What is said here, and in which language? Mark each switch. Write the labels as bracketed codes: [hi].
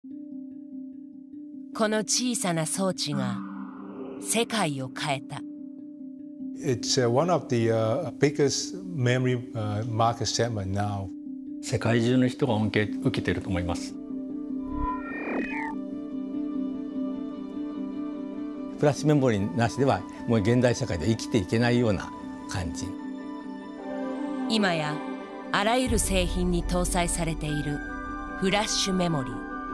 [ja] この小さな装置が世界を変えた。 [en] It's one of the biggest memory market segment now. [ja] 世界中の人が恩恵を受けていると思います。フラッシュメモリーなしではもう現代社会では生きていけないような感じ。今やあらゆる製品に搭載されているフラッシュメモリー。